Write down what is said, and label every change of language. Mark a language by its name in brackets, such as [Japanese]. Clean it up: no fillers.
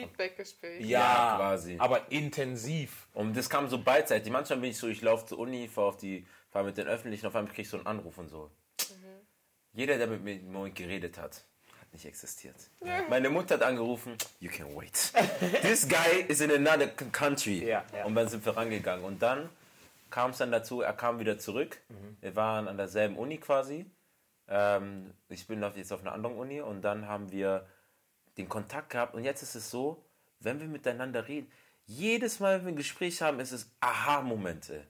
[German] Feedbackgespräch. Ja, quasi. Aber intensiv. Und das kam so beidseitig. Manchmal bin ich so, ich laufe zur Uni, fahre mit den Öffentlichen, auf einmal kriege ich so einen Anruf und so. Jeder, der mit mir im Moment geredet hat, hat nicht existiert. Ja. Meine Mutter hat angerufen, [English] you can wait. This guy is in another country. [German] Ja, ja. Und dann sind wir rangegangen. Und dann kam es dann dazu, er kam wieder zurück. Mhm. Wir waren an derselben Uni quasi. Ich bin jetzt auf einer anderen Uni. Und dann haben wir den Kontakt gehabt. Und jetzt ist es so, wenn wir miteinander reden, jedes Mal, wenn wir ein Gespräch haben, ist es Aha-Momente.